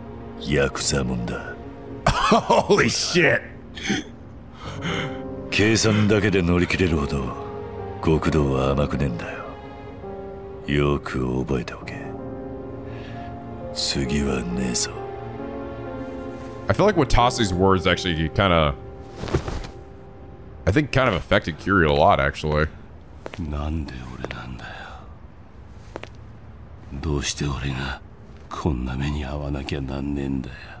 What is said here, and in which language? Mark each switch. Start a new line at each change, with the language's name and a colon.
Japanese: それは誰に聞いたかって聞いてんだ。登場会の子さんの。俺はな、そんなに優しい人間じゃねえ。どんなに素性を隠して生きていてもな、中身は自分でもヘドが出るくらいのヤクザもんだ。
English: Holy shit!
Japanese: 計算だけで乗り切れるほど極道は甘くねえんだよ。よく覚えておけ。次はねえぞ。
English: I feel like what Tossi's words actually kind of, I think, kind of affected Kiryu a lot, actually.
Japanese: なんで俺なんだよ。どうして俺がこんな目に遭わなきゃなんねえんだよ。